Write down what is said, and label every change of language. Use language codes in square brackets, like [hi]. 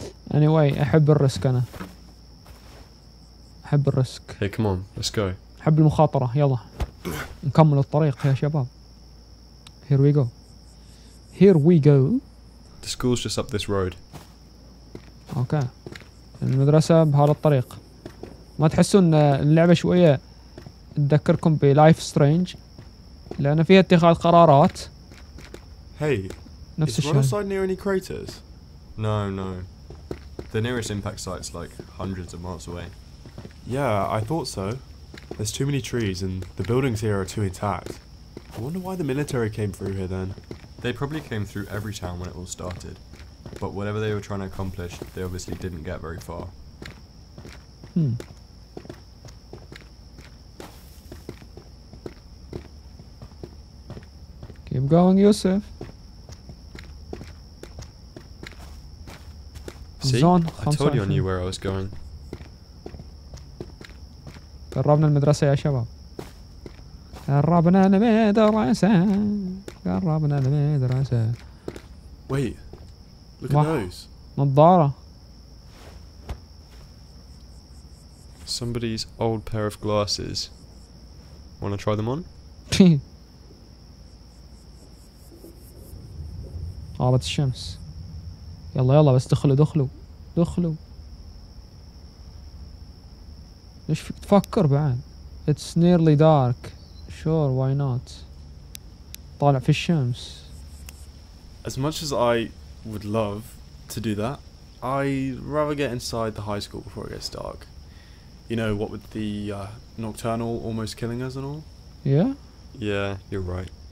[en] Anyway, I love the risk. Hey, come on. Let's go. I love the mukhatara. [ar] Yalla. Nkammal at-tariq, ya shabab. [en] Here we go. Here we go. The school's just up this road. [ar] Okay. المدرسة بهذا الطريق. ما تحسون اللعبة شوية تذكركم بLife Strange؟ لأن فيها اتخاذ قرارات. [en] Hey. [ar] نفس الشيء. [en] Is the site near any craters? No, no. The nearest impact site's like hundreds of miles away. Yeah, I thought so. There's too many trees and the buildings here are too intact. I wonder why the military came through here then. They probably came through every town when it all started. But whatever they were trying to accomplish, they obviously didn't get very far. Keep going, Yusuf. See? I told you I knew where I was going. [ar] قربنا المدرسة يا شباب. قربنا المدرسة قربنا المدرسة [en] Wait, Look at those. [ar] نظارة. [en] Somebody's old pair of glasses. Want to try them on? [ar] غابة الشمس. يلا يلا بس دخلوا دخلوا دخلوا. ليش فيك تفكر بعد؟ [en] It's nearly dark. Sure, why not? [ar] طالع في الشمس. [en] As much as I would love to do that, I'd rather get inside the high school before it gets dark. You know, what with the nocturnal almost killing us and all? Yeah? Yeah, you're right.